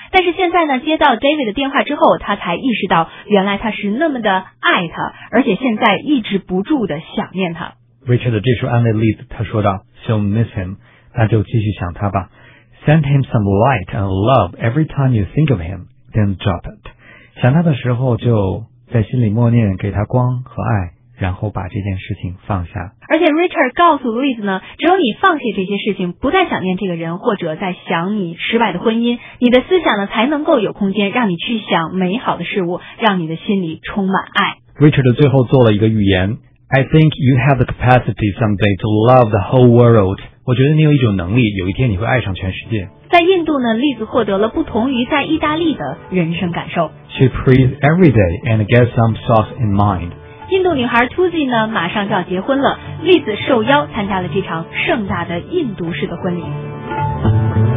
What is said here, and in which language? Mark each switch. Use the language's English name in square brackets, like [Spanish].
[Chinese] 但是现在呢，接到 David 的电话之后，他才意识到原来他是那么的爱他，而且现在抑制不住的想念他。 Richard 这时候安慰 Liz， 他说道 ： [English] “So miss him， [Chinese] 那就继续想他吧。 [English] Send him some light and love every time you think of him， then drop it。 [Chinese] 想他的时候就。” 在心里默念给他光和爱，然后把这件事情放下。而且 Richard 告诉 Liz 呢，只有你放弃这些事情，不再想念这个人，或者在想你失败的婚姻，你的思想呢才能够有空间让你去想美好的事物，让你的心里充满爱。 [English] Richard [Chinese] 最后做了一个预言， [English] I think you have the capacity someday to love the whole world. [Chinese] 我觉得你有一种能力，有一天你会爱上全世界。在印度呢，丽子获得了不同于在意大利的人生感受。 [English] She prays every day and gets some thoughts in mind. [Chinese] 印度女孩 Tuzi 呢，马上就要结婚了，丽子受邀参加了这场盛大的印度式的婚礼。